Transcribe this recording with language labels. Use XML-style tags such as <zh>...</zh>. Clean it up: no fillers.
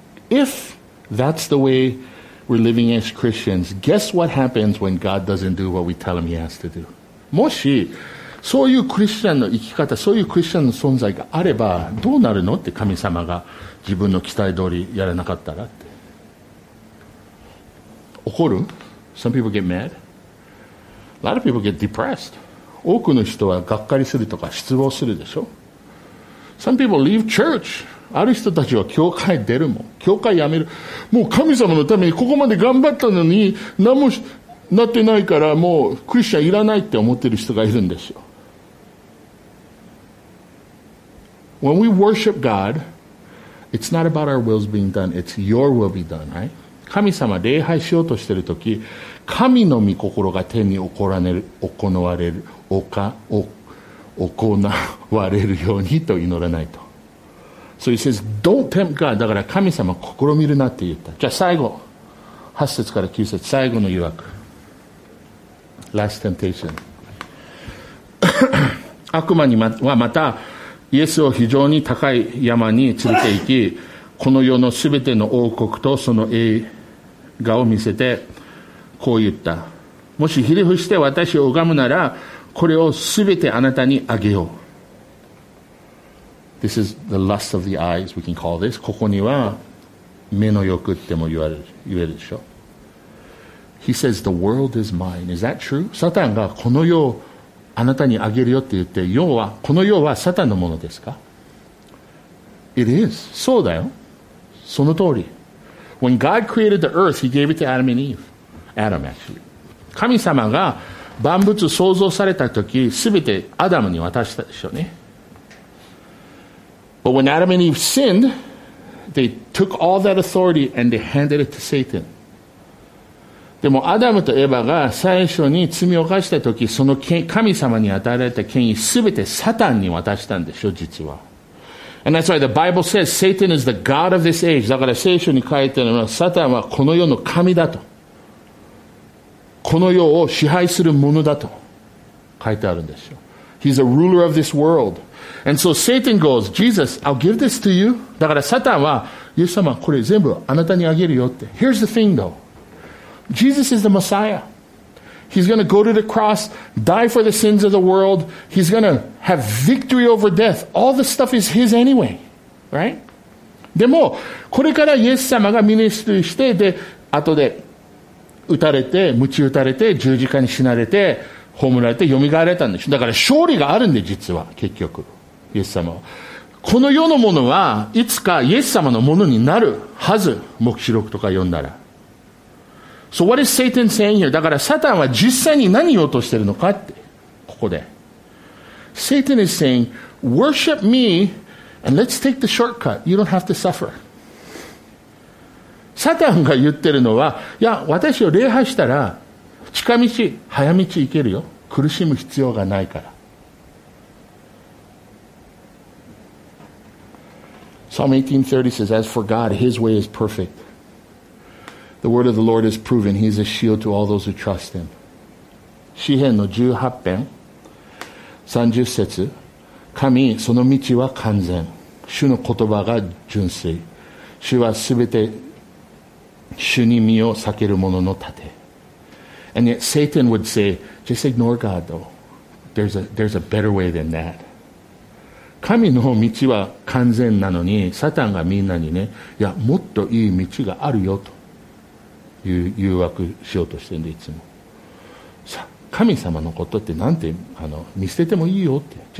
<en>If that's the way we're living as Christians, guess what happens when God doesn't do what we tell him he has to do?</en> <ja>もしそういうクリスチャンの生き方、そういうクリスチャンの存在があればどうなるのって、神様が自分の期待通りやらなかったらって、怒る。</ja> <en>Some people get mad. A lot of people get depressed.</en> <ja>多くの人はがっかりするとか失望するでしょ。</ja> <en>Some people leave church.</en> <ja>ある人たちは教会出るもん、教会辞める、もう神様のためにここまで頑張ったのに何もなってないからもうクリスチャンいらないって思ってる人がいるんですよ。</ja> <en>When we worship God, it's not about our wills being done, it's your will be done, right?</en> <ja>神様礼拝しようとしてるとき、神の御心が天に行われるようにと祈らないと。</ja> <en>So he says, don't tempt God.</en> <ja>だから神様試みるなって言った。じゃあ最後。8節から9節、最後の誘惑。</ja> <en>Last temptation.</en> <ja>悪魔にはまた、イエスを非常に高い山に連れて行き、この世のすべての王国とその栄華を見せて、こう言った。もしひれ伏して私を拝むなら、これをすべてあなたにあげよう。</ja> <en>This is the lust of the eyes, we can call this.</en> <ja>ここには目の欲っても言えるでしょ。</ja> <en>He says, the world is mine. Is that true?</en> <ja>サタンがこの世をあなたにあげるよって言って、要はこの世はサタンのものですか?</ja> <en>It is.</en> <ja>そうだよ。その通り。</ja> <en>When God created the earth, he gave it to Adam and Eve. Adam, actually.</en> <ja>神様が万物創造された時、すべてアダムに渡したでしょうね。</ja> <en>But when Adam and Eve sinned, they took all that authority and they handed it to Satan.</en> <ja>でもアダムとエバが最初に罪を犯したとき、その神様に与えられた権威すべてサタンに渡したんでしょ、実は。</ja> <en>And that's why the Bible says Satan is the God of this age.</en> <ja>だから聖書に書いてあるのはサタンはこの世の神だと。この世を支配するものだと書いてあるんでしょ。</ja> <en>He's a ruler of this world. And so Satan goes, Jesus, I'll give this to you.</en> <ja>だからサタンは、イエス様、これ全部あなたにあげるよって。</ja> <en>Here's the thing though. Jesus is the Messiah. He's going to go to the cross, die for the sins of the world. He's going to have victory over death. All the stuff is his anyway. Right?</en> <ja>でも、これからイエス様がミニストリーして、で、後で撃たれて、鞭打たれて、十字架に死なれて、葬られて蘇られたんでしょ。だから勝利があるんで、実は結局イエス様はこの世のものはいつかイエス様のものになるはず。黙示録とか読んだら。</ja> <en>So what is Satan saying here?</en> <ja>だからサタンは実際に何言おうとしてるのかって、ここで</ja> <en>Satan is saying, worship me and let's take the shortcut. You don't have to suffer.</en> <ja>サタンが言ってるのは、いや、私を礼拝したら近道、早道行けるよ。苦しむ必要がないから。</ja> <en>Psalm 18:30 says, As for God, His way is perfect. The word of the Lord is proven. He is a shield to all those who trust Him.</en> <ja>詩篇の18編。 30節、神その道は完全、主の言葉が純粋、主はすべて主に身を避ける者の盾。 And yet Satan would say, just ignore God though. There's a better way than that. 神の道は完全なのに、サタンがみんなにね、いや、もっといい道があるよという誘惑しようとしてるんで、いつも。神様のことってなんて見捨ててもいいよって。</ja>